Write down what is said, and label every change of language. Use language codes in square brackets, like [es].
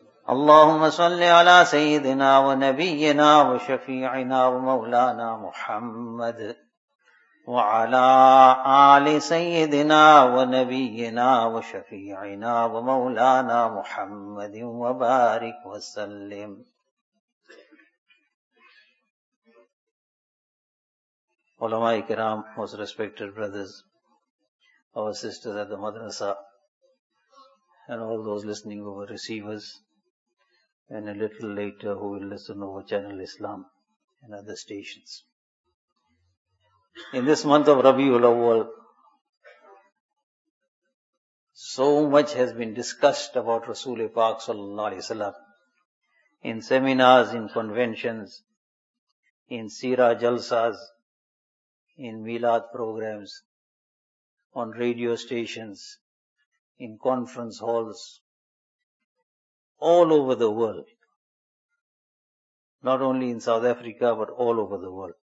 [ar] اللهم صل على سيدنا ونبينا وشفيعنا ومولانا محمد وعلى آل سيدنا ونبينا وشفيعنا ومولانا محمد وبارك وسلم. [ur] علماء کرام، [en] Most respected brothers اور sisters at the مدرسہ and all those listening over receivers and a little later who will listen over channel Islam and other stations. In this month of Rabiul Awwal, so much has been discussed about Rasool-e-Pak sallallahu alaihi wasallam in seminars, in conventions, in seerah jalsas, in milad programs, on radio stations, in conference halls, all over the world, not only in South Africa but all over the world.